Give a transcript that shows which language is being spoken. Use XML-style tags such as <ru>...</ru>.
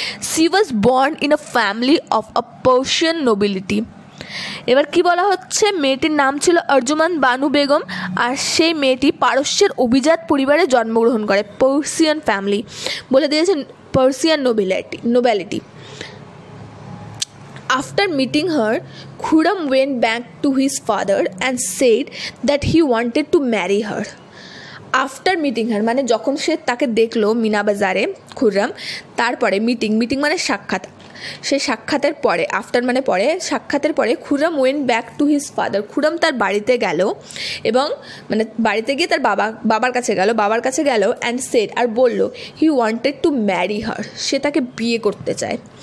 <en>she was born in a family of a Persian nobility,</en> <bn>এবার কী বলা হচ্ছে, মেয়েটির নাম ছিল আরজুমান বানু বেগম আর সেই মেয়েটি পারস্যের অভিজাত পরিবারে জন্মগ্রহণ করে, পার্সিয়ান ফ্যামিলি, বলে দিয়েছে Persian nobility.</bn> <en>After meeting her, Khurram went back to his father and said that he wanted to marry her. After meeting her,</en> <bn>মানে যখন সে তাকে দেখলো মিনা বাজারে খুররাম, তারপরে মিটিং, মিটিং মানে সাক্ষাৎ, সে সাক্ষাতের পরে, আফটার মানে পরে, সাক্ষাতের পরে Khurram</bn> <en>went back to his father,</en> <bn>Khurram তার বাড়িতে গেল এবং মানে বাড়িতে গিয়ে তার বাবার কাছে গেল</bn> <en>and said,</en> <bn>আর বলল</bn> <en>he wanted to marry her,</en> <bn>সে তাকে বিয়ে করতে চায়।</bn>